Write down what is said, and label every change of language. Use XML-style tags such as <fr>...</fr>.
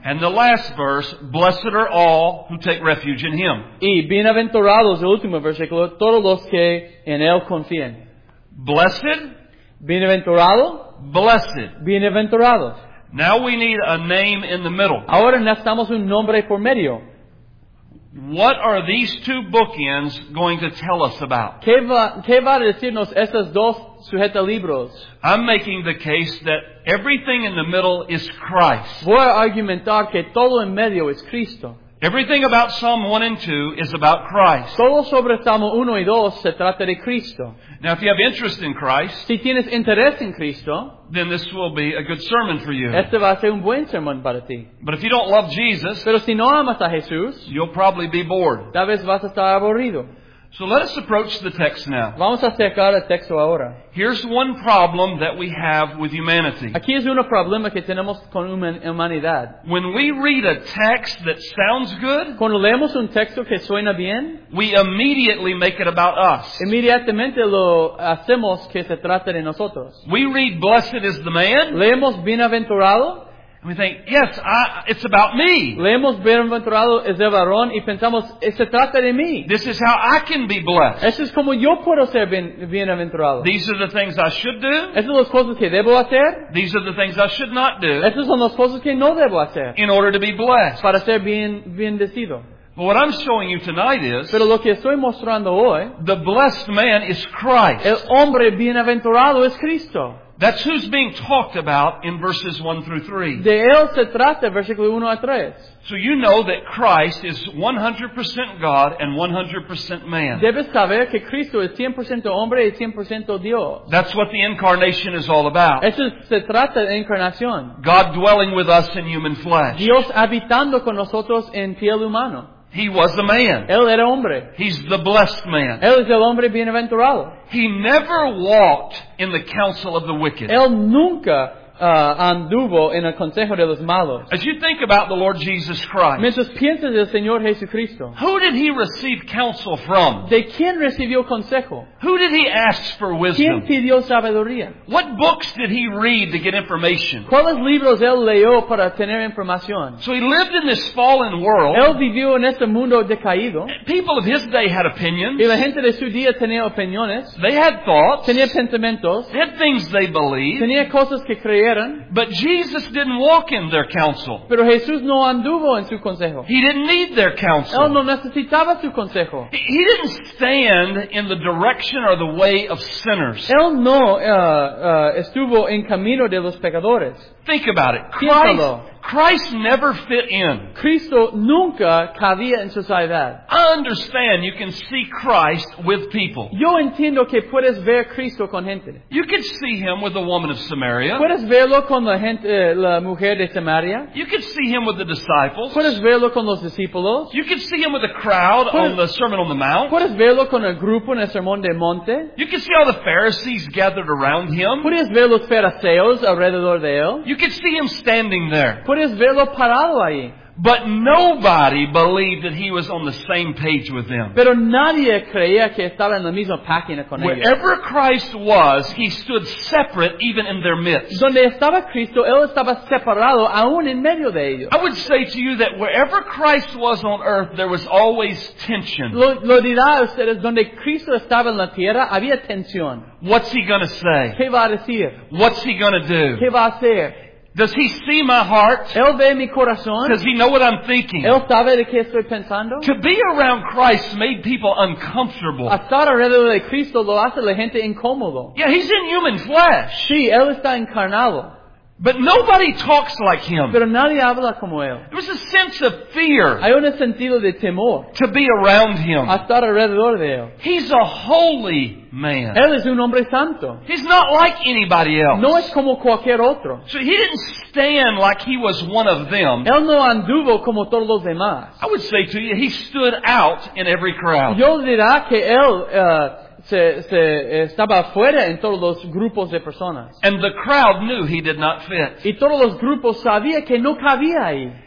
<en>And the last verse, blessed are all who take refuge in him.</en> <es>Y bienaventurado es el último versículo, todos los que en él confían.</es> <en>Blessed.</en> <es>Bienaventurado.</es> <en>Blessed.</en> <es>Bienaventurado.</es> <en>Now we need a name in the middle.</en> <es>Ahora necesitamos un nombre por medio.</es> <en>What are these two bookends going to tell us about?</en> <es>¿Qué va a decirnos estos dos sujeta libros?</es> <en>I'm making the case that everything in the middle is Christ.</en> <es>Voy a argumentar que todo en medio es Cristo.</es> <en>Everything about Psalm 1 and 2 is about Christ.</en> <es>Todo sobre Salmo 1 y 2 se trata de Cristo.</es> <en>Now, if you have interest in Christ,</en> <es>si tienes interés en Cristo,</es> <en>then this will be a good sermon for you.</en> <es>Este va a ser un buen sermón para ti.</es> <en>But if you don't love Jesus,</en> <es>pero si no amas a Jesús,</es> <en>you'll probably be bored.</en> <es>Tal vez vas a estar aburrido.</es> <en>So let us approach the text now.</en> <es>Vamos a acercar al texto ahora.</es> <en>Here's one problem that we have with humanity.</en> <es>Aquí es un problema que tenemos con humanidad.</es> <en>When we read a text that sounds good,</en> <es>cuando leemos un texto que suena bien,</es> <en>we immediately make it about us.</en> <es>Inmediatamente lo hacemos que se trate de nosotros.</es> <en>We read, "Blessed is the man."</en> <es>Leemos bienaventurado.</es> <en>And we think, yes, it's about me.</en> <es>Leemos bienaventurado es el varón y pensamos, se trata de mí.</es> <en>This is how I can be blessed.</en> <es>Eso es como yo puedo ser bienaventurado.</es> <en>These are the things I should do.</en> <es>Esas son las cosas que debo hacer.</es> <en>These are the things I should not do.</en> <es>Esas son las cosas que no debo hacer.</es> <en>In order to be blessed.</en> <es>Para ser bendecido.</es> <en>But what I'm showing you tonight is,</en> <es>pero lo que estoy mostrando hoy,</es> <en>the blessed man is Christ.</en> <es>El hombre bienaventurado es Cristo.</es> <en>That's who's being talked about in verses 1 through 3.</en> <es>De él se trata, versículo 1 a 3.</es> <en>So you know that Christ is 100% God and 100% man.</en> <es>Debes saber que Cristo es 100% hombre y 100% Dios.</es> <en>That's what the incarnation is all about.</en> <es>Eso se trata de encarnación.</es> <en>God dwelling with us in human flesh.</en> <es>Dios habitando con nosotros en piel humano.</es> <en>He was a man.</en> <es>Él era hombre.</es> <en>He's the blessed man.</en> <es>Él es el hombre bienaventurado.</es> <en>He never walked in the counsel of the wicked.</en> <es>Él nunca anduvo en el consejo de los malos.</es> <en>As you think about the Lord Jesus Christ,</en> <es>mientras piensas en el Señor Jesucristo,</es> <en>who did he receive counsel from?</en> <es>¿De quién recibió consejo?</es> <en>Who did he ask for wisdom?</en> <es>¿Quién pidió sabiduría?</es> <en>What books did he read to get information?</en> <es>¿Cuáles libros él leyó para tener información?</es> <en>So he lived in this fallen world.</en> <es>Él vivió en este mundo decaído.</es> <en>People of his day had opinions.</en> <es>Y la gente de su día tenía opiniones.</es> <en>They had thoughts.</en> <es>Tenía pensamientos.</es> <en>They had things they believed.</en> <es>Tenía cosas que creían.</es> <en>But Jesus didn't walk in their counsel.</en> <es>Pero Jesús no anduvo en su consejo.</es> <en>He didn't need their counsel.</en> <es>Él no necesitaba su consejo.</es> <en>He didn't stand in the direction or the way of sinners.</en> <es>Él no estuvo en camino de los pecadores.</es> <en>Think about it. Christ never fit in.</en> <es>Cristo nunca cabía en sociedad.</es> <en>I understand you can see Christ with people.</en> <es>Yo entiendo que puedes ver Cristo con gente.</es> <en>You can see him with the woman of Samaria.</en> <es>Puedes verlo con la gente, la mujer de Samaria.</es> <en>You can see him with the disciples.</en> <es>Puedes verlo con los discípulos.</es> <en>You can see him with the crowd on the Sermon on the Mount.</en> <es>Puedes verlo con el grupo en el Sermón de Monte.</es> <en>You can see all the Pharisees gathered around him.</en> <es>Puedes ver los fariseos alrededor de él.</es> <en>You can see him standing there.</en> <es>Puedes verlo parado ahí.</es> <en>But nobody believed that he was on the same page with them.</en> <es>Pero nadie creía que estaba en la misma página con ellos.</es> <en>Wherever Christ was, he stood separate even in their midst.</en> <es>Donde estaba Cristo, él estaba separado aún en medio de ellos.</es> <en>I would say to you that wherever Christ was on earth, there was always tension.</en> <es>Lo dirá a ustedes, donde Cristo estaba en la tierra, había tensión.</es> <en>What's he going to say?</en> <es>¿Qué va a decir?</es> <en>What's he going to do?</en> <es>¿Qué va a hacer?</es> <en>Does he see my heart?</en> <es>Él ve mi corazón.</es> <en>Does he know what I'm thinking?</en> <es>Él sabe de qué estoy pensando.</es> <en>To be around Christ made people uncomfortable.</en> <es>A estar alrededor de Cristo lo hace la gente incómodo.</es> <en>Yeah, he's in human flesh.</en> <es>Sí, él está encarnado.</es> <en>But nobody talks like him.</en> <es>Pero nadie habla como él.</es> <en>There was a sense of fear.</en> <es>Hay un sentido de temor.</es> <en>To be around him.</en> <es>A estar alrededor de él.</es> <en>He's a holy man.</en> <es>Él es un hombre santo.</es> <en>He's not like anybody else.</en> <es>No es como cualquier otro.</es> <en>So he didn't stand like he was one of them.</en> <es>Él no anduvo como todos los demás.</es> <en>I would say to you, he stood out in every crowd.</en> <es>Yo dirá que él Se estaba afuera en todos los grupos de personas.</es> <en>And the crowd knew he did not fit.</en> <es>Y todos los grupos sabía que no cabía ahí.</es>